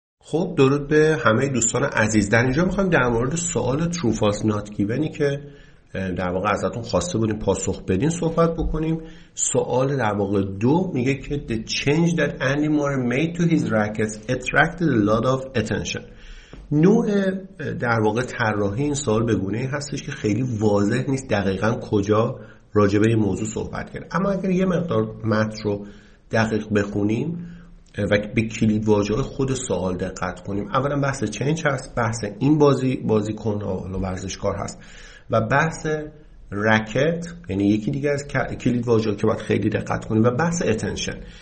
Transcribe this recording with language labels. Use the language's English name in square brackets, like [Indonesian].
[Persian] خب درود به همه دوستان عزیز. در اینجا میخوام در مورد سوال True False Not Given-ای که در واقع ازتون خواسته بودیم پاسخ بدین صحبت بکنیم. سوال در واقع دو میگه که [English] The change that Andy Murray made to his rackets attracted a lot of attention. [Persian] نوع در واقع طراحی این سوال به گونه‌ای هستش که خیلی واضح نیست دقیقاً کجا راجبه این موضوع صحبت کرد. اما اگر یه مقدار متن رو دقیق بخونیم و به کلید واژه‌های خود سوال دقت کنیم، اولا بحث چنج هست، بحث این بازیکن و ورزشکار هست و بحث رکت یعنی یکی دیگه از کلید واژه‌ها که باید خیلی دقت کنیم و بحث اتنشن.